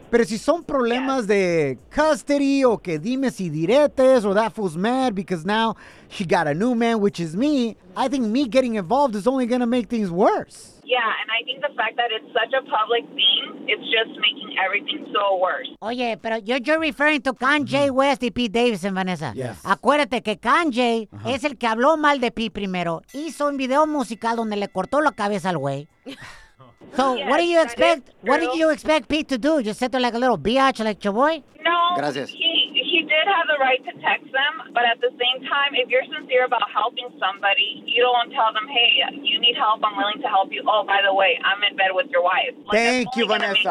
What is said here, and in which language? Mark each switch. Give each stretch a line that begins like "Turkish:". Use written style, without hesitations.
English: Pero si son problemas de custody o que dime si diretes or that fool's mad because now she got a new man, which is me, I think me getting involved is only going to make things worse. Yeah, and I think the fact that it's such a public thing, it's just making everything so worse. Oye, pero you're referring to Kanye West y Pete Davidson, Vanessa. Yes.
Spanish: Acuérdate que Kanye es el que habló mal de Pete primero. Hizo un video musical donde le cortó la cabeza al güey.
English: So, yes, what do you expect? What did you expect Pete to do? Just sit there like a little biatch, like your boy?
Spanish: No. Gracias.
English: He did have the right to text them, but at the same time, if you're sincere about helping somebody, you don't tell them, hey, you need help. I'm willing to help you. Oh, by the way, I'm in bed with your wife. Like, thank you, Vanessa.